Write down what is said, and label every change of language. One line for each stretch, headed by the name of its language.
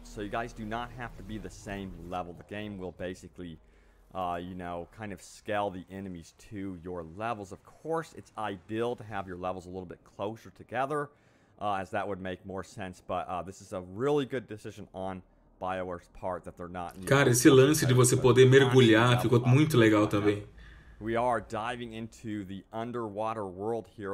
English: So you guys do not have to be the same level. The game will basically, you know, kind of scale the enemies to your levels. Of course, it's ideal to have your levels a little bit closer together, as that would make more sense. But this is a really good decision on bioware's part that they're not.
Portuguese: Cara, esse lance de você poder mergulhar ficou muito legal também.
English: We are diving into the underwater world here.